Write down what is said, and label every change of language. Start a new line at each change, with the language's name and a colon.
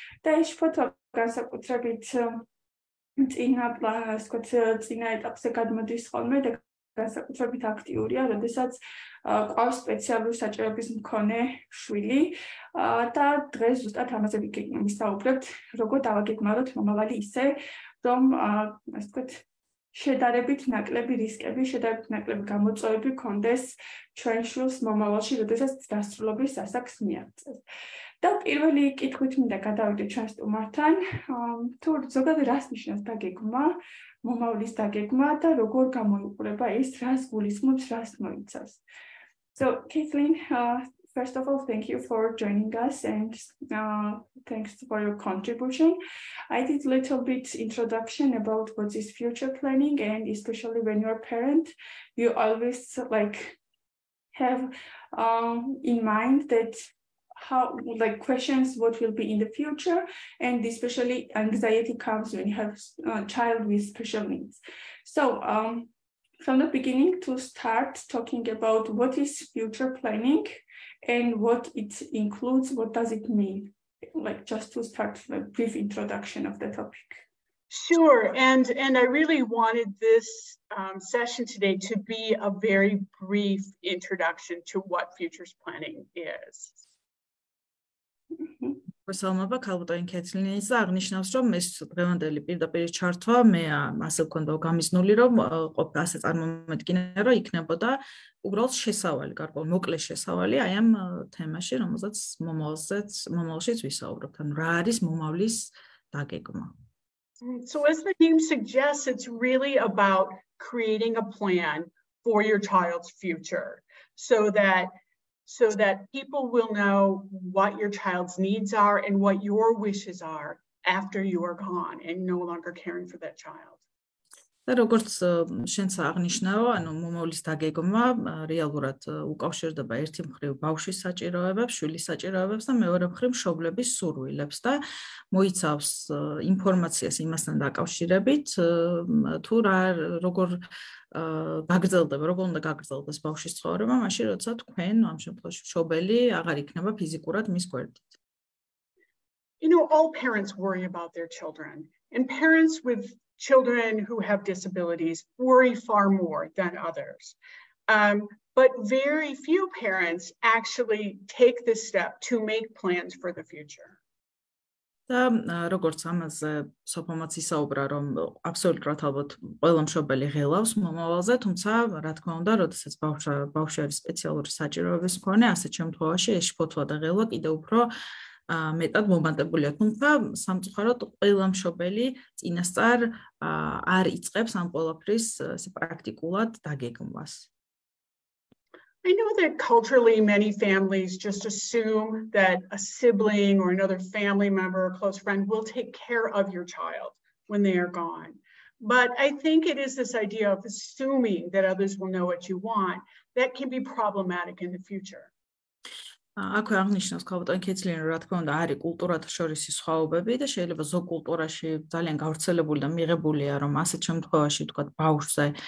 Georgian: და ეს შფოთვა განსაკუთრებით წინა ეტაპზე გადმოდის ხოლმე და განსაკუთრებით აქტიურია, როდესაც ყავს სპეციალური საჭიროების მქონე შვილი, და დღეს ზუსტად ამაზე ვისაუბრებთ, როგორ დავაგეგმაროთ მომავალი ისე, რომ ასე ვთქვათ, შედარებით ნაკლები რისკები, შედარებით ნაკლები გამოწვევები ქონდეს ჩვენ შვილს მომავალში, როდესაც დასრულების ასაკს მიაღწევს. და პირველი კითხვით მინდა გადავიდეთ ჩვენ სტუმართან, თუ ზოგადად რას ნიშნავს დაგეგმვა, მომავლის დაგეგმვა, და როგორ გამოიყურება ეს, რას გულისხმობს, რას მოიცავს.
English: So, Kathleen, first of all, thank you for joining us, and thanks for your contribution. I did a little bit introduction about what is future planning, and especially when you're a parent, you always like have in mind that how, like, questions what will be in the future, and especially anxiety comes when you have a child with special needs. So from the beginning to start talking about what is future planning and what it includes, what does it mean, like just to start a brief introduction of the topic. Sure, and I really wanted this session today to be a very brief introduction to what futures planning is.
Georgian: Გასალმობა ქალბატონი კეთლინის და აღნიშნავს რომ ეს დღევანდელი პირდაპირი ჩართვა მე ასე ვქონდა გამიზნული რომ ყოფილი ასე წარმომედგინე რომ იქნებოდა უბრალოდ შესავალი გარკვეული მოკლე შესავალი აი ამ თემაში რომელსაც მომავალშიც ვისაუბრებთ ანუ რა არის მომავლის დაგეგმვა.
English: So as the name suggests, it's really about creating a plan for your child's future so that people will know what your child's needs are and what your wishes are after you are gone and no longer caring for that child.
Georgian: და როგორც შენც აღნიშნავ, ანუ მომავლის დაგეგმვა რეალურად უკავშირდება ერთი მხრივ ბავშვის საჭიროებებს, შვილის საჭიროებებს და მეორე მხრივ მშობლების სურვილებს და მოიცავს ინფორმაციას იმასთან დაკავშირებით, თუ რა როგორ გაგრძელდება, როგორ უნდა გაგრძელდეს ბავშვის ცხოვრება, მაშინ როცა თქვენ ამ შემთხვევაში მშობელი აღარ იქნება ფიზიკურად მის გვერდით.
English: You know, all parents worry about their children and parents with children who have disabilities worry far more than others. But very few parents actually take this step to make plans for the future.
Georgian: და როგორც ამაზე სოფომაც ისაუბრა რომ აბსოლუტურად ალბათ ყველა მშობელი ღელავს მომავალზე, თუმცა რა თქმა უნდა, როდესაც ბავშვი არის სპეციალური საჭიროების მქონე, ასეთ შემთხვევაში ეს შფოთვა და ღელვა კიდევ უფრო მეტად მომანტებულია, თუმცა სამწუხაროდ ყველა მშობელი წინასწარ არ იწყებს ამ ყველაფრის ესე პრაქტიკულად დაგეგმვას.
English: I know that culturally many families just assume that a sibling or another family member or close friend will take care of your child when they are gone. But I think it is this idea of assuming that others will know what you want that can be problematic in the future.
Georgian: აქვე აღნიშნავს ქალბატონი კეთლინი რომ რა თქმა უნდა არის კულტურათა შორის სხვაობები და შეიძლება ზოგ კულტურაში ძალიან გავრცელებული და მიღებულია რომ ასეთ შემთხვევაში თქვა ბავშვზე